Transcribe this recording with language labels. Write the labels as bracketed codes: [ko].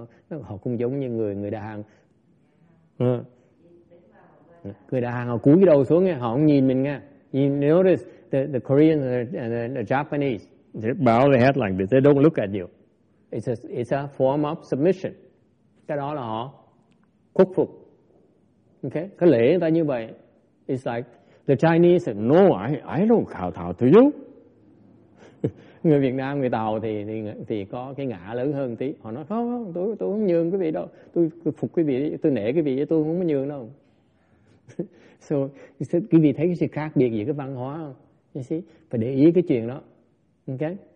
[vi] Họ không giống như người Đà Hàng. Người Đà Hàng họ cúi đầu xuống nghe, họ không nhìn mình nghe. [en] You notice the Koreans and the Japanese, they bow their head like this. They don't look at you. It's a form of submission. [vi] Cái đó là họ khuất phục. Okay, cái lễ người ta như vậy. [en] It's like the Chinese said, "No, I don't kowtow to you." [vi] Người Việt Nam, người Tàu thì có cái ngã lớn hơn tí. Họ nói, "Không, tôi không nhường quý vị đâu. Tôi phục quý vị, tôi nể quý vị, tôi không có nhường đâu." So, quý vị thấy cái sự khác biệt giữa cái văn hóa không? [en] You see? [vi] Phải để ý cái chuyện đó. Ok?